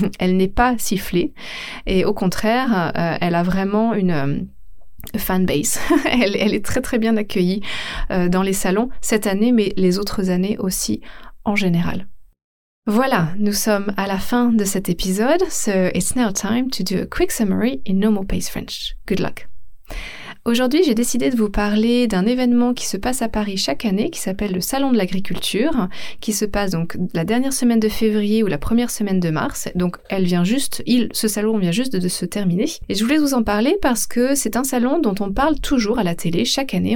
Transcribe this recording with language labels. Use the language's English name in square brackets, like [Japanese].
[French] Elle n'est pas sifflée. Et au contraire, elle a vraiment une fanbase. elle est très très bien accueillie dans les salons cette année, mais les autres années aussi en général. Voilà, nous sommes à la fin de cet épisode. [English] So it's now time to do a quick summary in normal pace French. Good luck. [French] Aujourd'hui, j'ai décidé de vous parler d'un événement qui se passe à Paris chaque année, qui s'appelle le Salon de l'Agriculture, qui se passe donc la dernière semaine de février ou la première semaine de mars. Donc, ce salon vient juste de se terminer. Et je voulais vous en parler parce que c'est un salon dont on parle toujours à la télé chaque année.